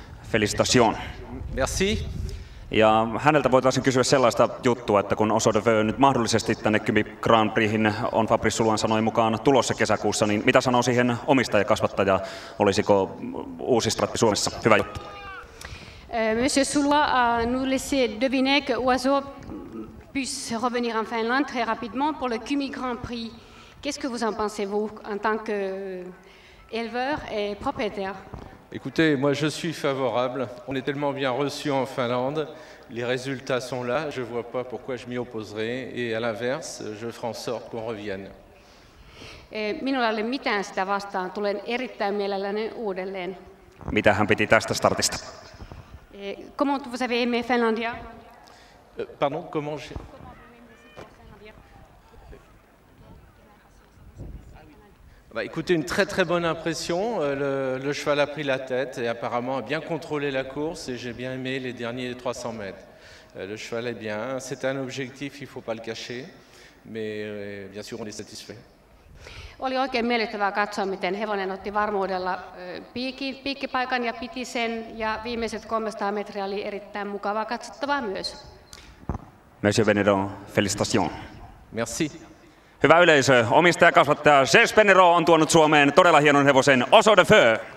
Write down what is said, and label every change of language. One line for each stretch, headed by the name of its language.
French: Felicitation. Merci.
Finnish: Ja häneltä voitaisiin kysyä sellaista juttua, että kun Oscar de Feu nyt mahdollisesti tänne Kymi Grand Prixin on Fabrice Sulan sanoi mukaan tulossa kesäkuussa, niin mitä sanoo siihen omistaja, kasvattaja, olisiko uusi strappi Suomessa? Hyvä juttu.
French: Monsieur Sulan a nous laissé deviner que Oiseau puisse revenir en Finlande très rapidement pour le Kymi Grand Prix. Qu'est-ce que vous en pensez, vous, en tant qu'éleveur et propriétaire? Écoutez, moi, je suis favorable. On est tellement bien reçus en Finlande. Les résultats sont là. Je ne vois pas pourquoi je m'y opposerai. Et à l'inverse, je ferai en sorte qu'on revienne.
Finnish: Minulla ei ole mitään sitä vastaan. Tulen erittäin mielelläni uudelleen. Mitä hän piti tästä startista?
French: Comment vous avez aimé Finlandia? Pardon, comment j'ai... Bah, écoutez, une très très bonne impression. Le cheval a pris la tête et apparemment a bien contrôlé la course et j'ai bien aimé les derniers 300 mètres. Le cheval est bien. C'est un objectif, il ne faut pas le cacher, mais bien sûr, on est satisfait. Oli oikein miellyttävää katsoa, miten hevonen otti varmuudella piikkipaikan ja piti sen, ja viimeiset 300 metriä oli erittäin mukavaa katsottavaa myös. Monsieur Bernerot, félicitations. Merci.
Finnish: Hyvä yleisö, omistaja, kasvattaja Serge Bernerot on tuonut Suomeen todella hienon hevosen Oscar de Feu.